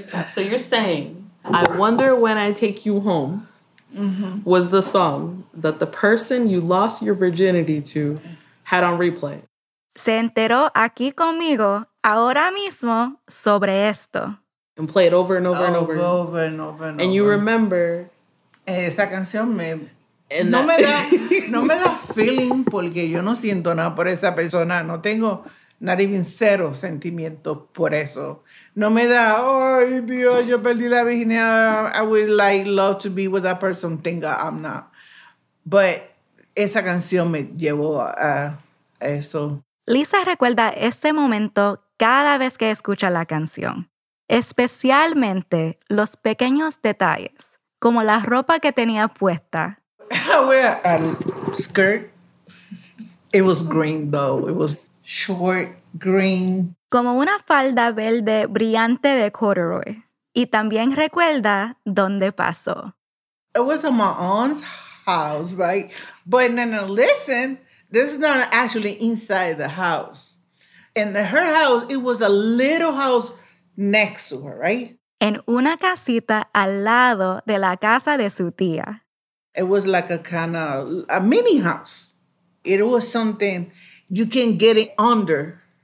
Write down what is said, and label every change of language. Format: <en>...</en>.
<en>So you're saying, I Wonder When I Take You Home. Mm-hmm. Was the song that the person you lost your virginity to had on replay.</en> <es>Se enteró aquí conmigo ahora mismo sobre esto.</es> <en>And play it over and over and over. Over and over and over. And you remember.</en> <es>Esa canción me... no me da feeling porque yo no siento nada por esa persona. No tengo</es> <en>not even</en> <es>cero sentimientos por eso. No me da, ay, Dios, yo perdí la virginidad.</es> <en>I would like love to be with that person.</en> <es>Tenga,</es> <en>I'm not. But</en> <es>esa canción me llevó a eso. Lisa recuerda ese momento cada vez que escucha la canción. Especialmente los pequeños detalles, como la ropa que tenía puesta.</es> <en>I wear a skirt. It was green, though. It was short, green.</en> <es>Como una falda verde brillante de corduroy. Y también recuerda dónde pasó.</es> <en>It was in my aunt's house, right? But no, listen, this is not actually inside the house. In her house, it was a little house next to her, right?</en> <es>En una casita al lado de la casa de su tía.</es> <en>It was like a kind of a mini house. It was something you can get it under.</en>